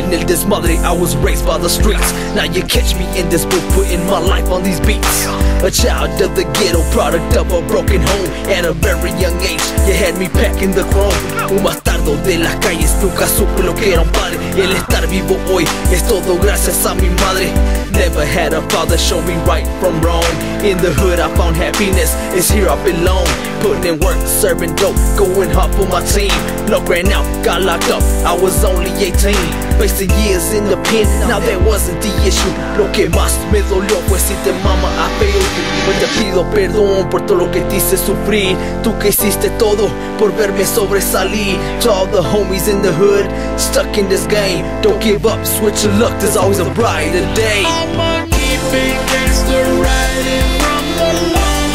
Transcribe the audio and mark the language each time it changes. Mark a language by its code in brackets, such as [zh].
[en] Desmadre, I was raised by the streets. Now you catch me in this booth, putting my life on these beats. A child of the ghetto, product of a broken home. At a very young age, you had me packing the chrome. [es] Un bastardo de las calles, nunca supe lo que era un padre. El estar vivo hoy, es todo gracias a mi madre. [en] Never had a father show me right from wrong. In the hood, I found happiness, it's here I belong. Putting in work, serving dope, going hard for my team. Look right now, got locked up, I was only 18. Wasting years in the pen, now that wasn't the issue. [es] Lo que más me dolió fue decirte, mama, [en] I failed you. [es] Hoy te pido perdón por todo lo que te hice sufrir. Tú que hiciste todo por verme sobresalir. [en] To all the homies in the hood, stuck in this game. Don't give up, switch your luck, there's always a brighter day. I'ma keep it gangsta riding.